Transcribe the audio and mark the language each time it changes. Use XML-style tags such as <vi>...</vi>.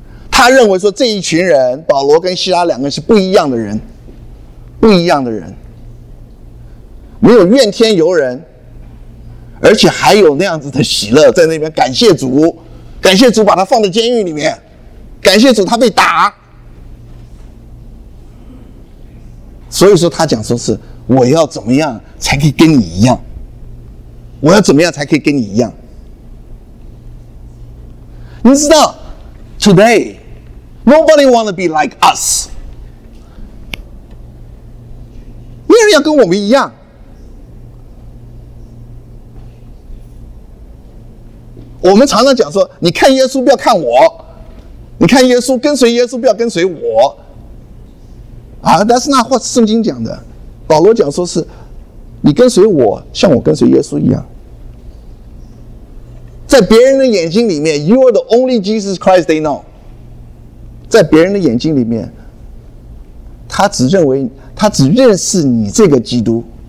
<zh>他认为说，这一群人，保罗跟希拉两个人是不一样的人，不一样的人，没有怨天尤人，而且还有那样子的喜乐，在那边感谢主，感谢主把他放在监狱里面，感谢主他被打。所以说他讲说是，我要怎么样才可以跟你一样，我要怎么样才可以跟你一样。你知道</zh> <en>Today Nobody want to be like us，</en> <zh>没人要跟我们一样。我们常常讲说，你看耶稣不要看我，你看耶稣，跟随耶稣不要跟随我啊，但是那话是圣经讲的，保罗讲说是，你跟随我像我跟随耶稣一样，在别人的眼睛里面</zh> <en>You are the only Jesus Christ they know，</en> <zh>在别人的眼睛里面，他只认为，他只认识你这个基督。</zh>